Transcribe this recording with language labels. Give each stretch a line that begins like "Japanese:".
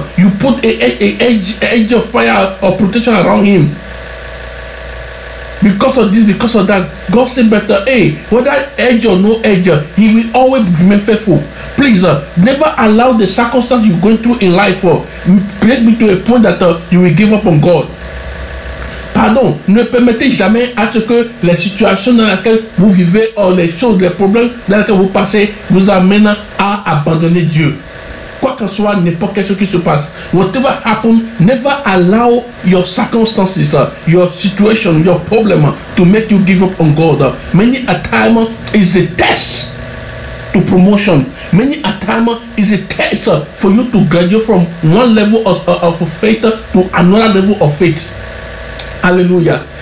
English: You put an edge of fire or protection around him. Because of this, because of that, God said better, hey, whether edge or no edge, he will always remain faithful. Please, never allow the circumstance you're going through in life get me to a point that you will give up on God.
French: Pardon, ne permettez jamais à ce que les situations dans lesquelles vous vivez ou les choses, les problèmes dans lesquels vous passez vous amènent à abandonner Dieu. Quoi que ce soit, n'importe quelque chose qui se passe.
English: Whatever happens, never allow your circumstances, your situation, your problem to make you give up on God. Many a time is a test to promotion. Many a time is a test for you to graduate from one level of faith to another level of faith. Hallelujah.